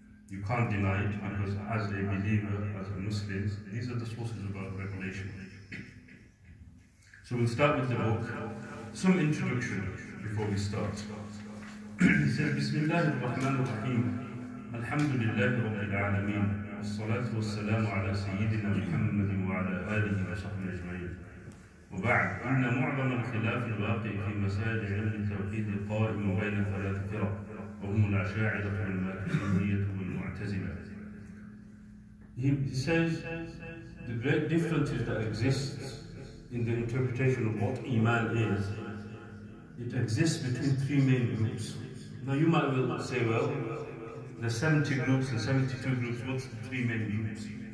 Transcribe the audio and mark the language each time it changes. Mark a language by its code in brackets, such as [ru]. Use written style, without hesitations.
[en] You can't deny it because as a believer, as a Muslim, these are the sources of our revelation. So we'll start with the book. Some introduction before we start. He says, Bismillah ar-Rahman ar-Rahim. Alhamdulillah rabbil alameen. [ar] والصلاة والسلام على سيدنا محمد وعلى آله وصحبه أجمعين. وبعد، إن معظم الخلاف الواقع في مسائل علم التوحيد القائم بين ثلاث فرق وهم الأشاعرة والماتريدية والمعتزلة. [en] He says the great differences that exist in the interpretation of what iman is, it exists between three main groups. Now you might well say, well, the 70 groups and 72 groups, what's the three main groups?